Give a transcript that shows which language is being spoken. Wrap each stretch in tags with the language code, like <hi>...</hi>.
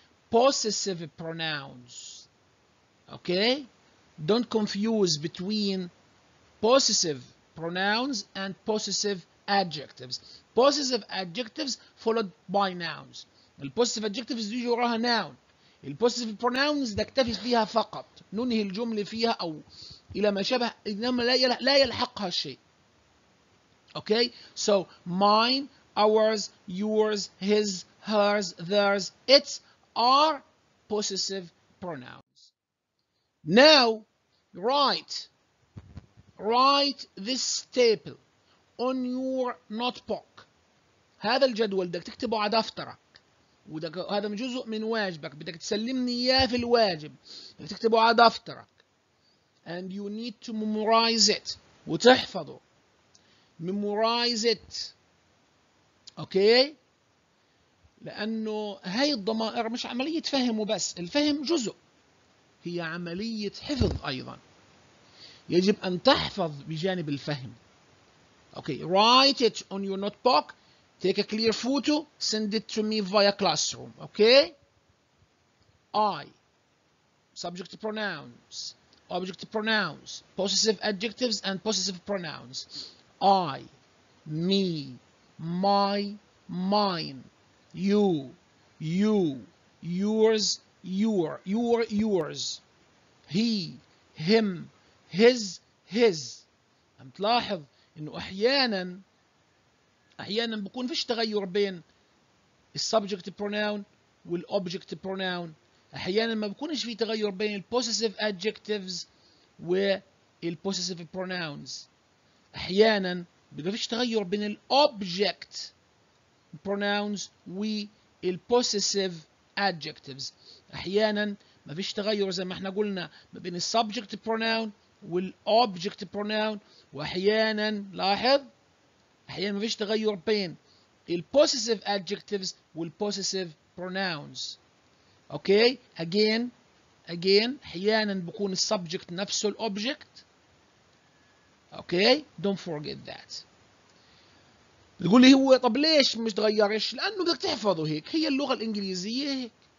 <en>Possessive pronouns. Okay? Don't confuse between possessive pronouns and possessive adjectives. Possessive adjectives followed by nouns. Possessive adjectives is usually a noun.</en> <ar>Possessive pronouns نكتفي فيها فقط. ننهي الجملة فيها أو إلى ما شبه, إنما لا يلحقها شيء.</ar> <en>Okay, so mine, ours, yours, his, hers, theirs, its are possessive pronouns. Now, write this table on your notebook.</en> <ar>هذا الجدول بدك تكتبه على دفترك, وهذا جزء من واجبك, بدك تسلمني إياه في الواجب, بدك تكتبه على دفترك.</ar> <en>And you need to memorize it,</en> <ar>وتحفظه.</ar> <en>Memorize it. Okay?</en> <ar>لأنه هاي الضمائر مش عملية فهم وبس, الفهم جزء, هي عملية حفظ أيضا. يجب أن تحفظ بجانب الفهم.</ar> <en>Okay, write it on your notebook, take a clear photo, send it to me via classroom. Okay? I, subject pronouns, object pronouns, possessive adjectives and possessive pronouns. I, me, my, mine, you, you, yours, your, yours, he, him, his.</en> <ar>عم تلاحظ انه احيانا بكون فيش تغير بين السبجكت pronoun والobject pronoun. أحيانا ما بكونش في تغير بين possessive adjectives والpossessive pronouns. أحيانا بيبقى فيش تغير بين الobject pronouns والpossessive adjectives. أحيانا ما فيش تغير زي ما احنا قلنا ما بين subject pronoun والobject pronoun. وأحيانا لاحظ أحيانا ما فيش تغير بين possessive adjectives والpossessive pronouns.</ar> <en>Okay, again,</en> <ar>أحيانا بكون subject نفسه الobject.</ar> <en>Okay, don't forget that.</en> <ar>بتقول لي هو طب ليش مش تغيرش؟ لأنه بدك تحفظه هيك، هي اللغة الإنجليزية هيك.</ar>